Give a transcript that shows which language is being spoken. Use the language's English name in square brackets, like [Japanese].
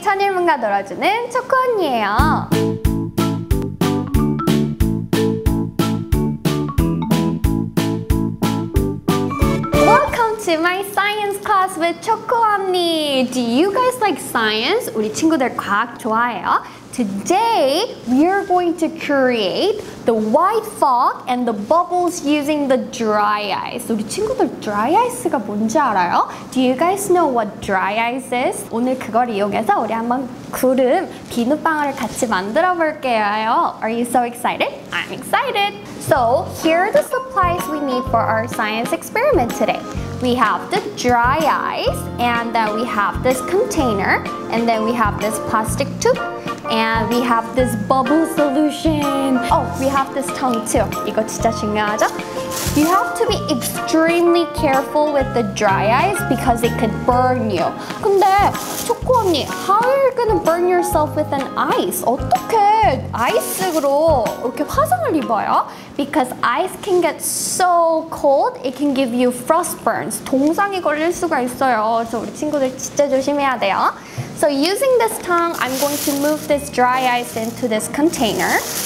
[Korean] 천일문가 놀아주는 초코언니예요. [English] To my science class with Choco Omni. Do you guys like science? [Korean] 우리 친구들 과학 좋아해요. [English] Today, we are going to create the white fog and the bubbles using the dry ice. [Korean] 우리 친구들 dry ice가 뭔지 알아요? [English] Do you guys know what dry ice is? [Korean] 오늘 그걸 이용해서 우리 한번 구름, 비눗방울을 같이 만들어 볼게요. [English] Are you so excited? I'm excited. So, here are the supplies we need for our science experiment today. We have the dry ice, and then we have this container, and then we have this plastic tube, and we have this bubble solution. Oh, we have this tongue too. [Korean] 이거 진짜 중요하죠? [English] You have to be extremely careful with the dry ice because it could burn you. [Korean] 근데 초코 언니, [English] how are you gonna burn yourself with an ice? [Korean] 어떻게 아이스로 이렇게 화상을 입어요? [English] Because ice can get so cold, it can give you frost burns. [Korean] 동상이 걸릴 수가 있어요. 그래서 우리 친구들 진짜 조심해야 돼요. [English] So using this tongue, I'm going to move this dry ice into this container.